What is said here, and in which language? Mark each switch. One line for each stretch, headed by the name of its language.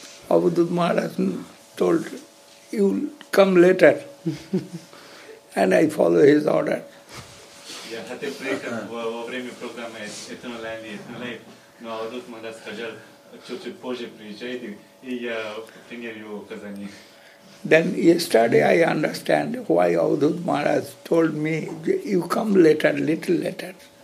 English: Avadhut Maharaj told, you'll come later. And I follow his order. Yeah, had to break up
Russian: во время программы atlonant, но Avadhut Maharaj сказал, чуть-чуть позже приезжайте, и я принял его указание.
English: Then yesterday I understand why Avadhut Maharaj told me, you come later, little later.